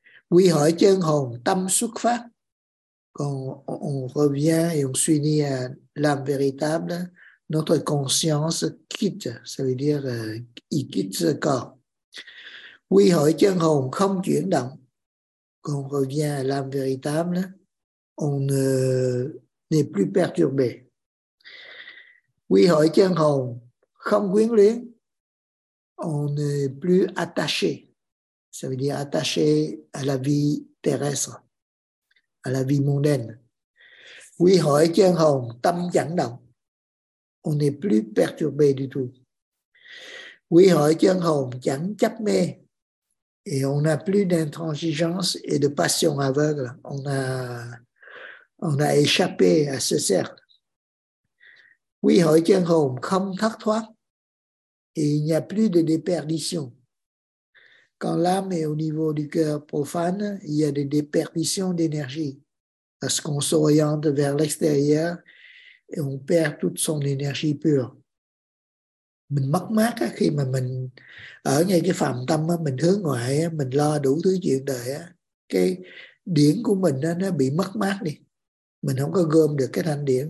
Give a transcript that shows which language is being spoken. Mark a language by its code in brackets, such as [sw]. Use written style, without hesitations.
[vi] Quy hội chân hồn, tâm xuất phát. [fr] Quand on revient et on s'unit à l'âme véritable, notre conscience quitte, ça veut dire il quitte ce corps. [vi] Quy hội chân hồn không chuyển động. [fr] Quand on revient à l'âme véritable, on n'est plus perturbé. [vi] Quy hội chân hồn không quyến luyến. [fr] On n'est plus attaché. Ça veut dire attaché à la vie terrestre, à la vie mondaine. [vi] Quy hội chân hồn tâm chẳng động. [fr] On n'est plus perturbé du tout. [vi] Quy hội chân hồn chẳng chấp mê. [fr] Et on n'a plus d'intransigeance et de passion aveugle. On a échappé à ce cercle. [vi] Quy hội chân hồn không thất thoát. [fr] Et il n'y a plus de déperdition. Quand l'âme est au niveau du cœur profane, il y a des déperditions d'énergie. Parce qu'on s'oriente vers l'extérieur, et on perd toute son énergie pure. [vi] Mình mất mát khi mà mình ở ngay cái phàm tâm, mình hướng ngoại, mình lo đủ thứ chuyện đời, cái điển của mình nó bị mất mát đi. Mình không có gom được cái thanh điển.